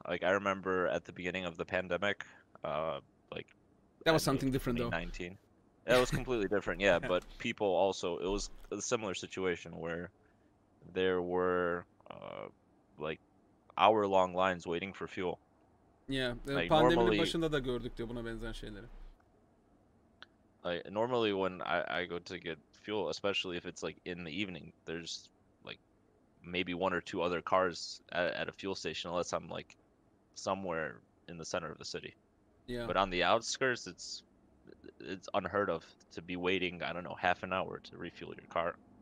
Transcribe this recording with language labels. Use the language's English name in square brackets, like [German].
[English] Like I remember at the beginning of the pandemic, like that was something different though. 2019. That was completely different, yeah, but people also, it was a similar situation where there were like hour-long lines waiting for fuel. Yeah, like, [Turkish] pandeminin [English] normally, [Turkish] başında da gördük diyor buna benzer şeyleri. [English] Like, normally when I go to get fuel, especially if it's like in the evening, there's like maybe one or two other cars at a fuel station unless I'm like somewhere in the center of the city. Yeah. But on the outskirts, it's unheard of to be waiting, I don't know, half an hour to refuel your car.